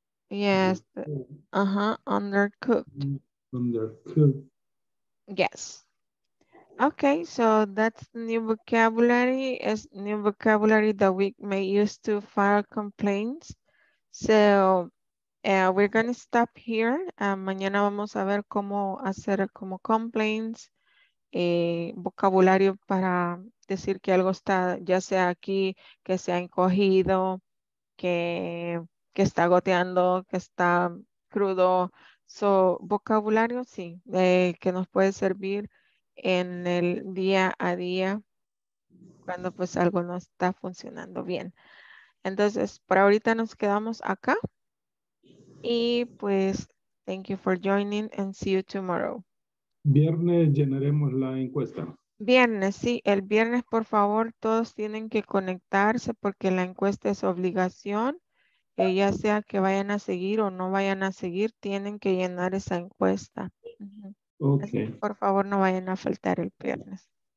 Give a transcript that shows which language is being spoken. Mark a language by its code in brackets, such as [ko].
[en] Yes. Uh-huh. Undercooked. Undercooked. Yes. Okay, so that's new vocabulary. It's new vocabulary that we may use to file complaints. So we're going to stop here. [es] Mañana vamos a ver cómo hacer como complaints. Vocabulario para decir que algo está, ya sea aquí, que se ha encogido, que está goteando, que está crudo. So, vocabulario, sí, que nos puede servir en el día a día cuando pues algo no está funcionando bien. Entonces, por ahorita nos quedamos acá. Y pues, [en] thank you for joining and see you tomorrow. [es] Viernes llenaremos la encuesta. Viernes, sí. El viernes, por favor, todos tienen que conectarse porque la encuesta es obligación. Ya sea que vayan a seguir o no vayan a seguir, tienen que llenar esa encuesta. Uh-huh. Okay. Así que, por favor, no vayan a faltar el viernes.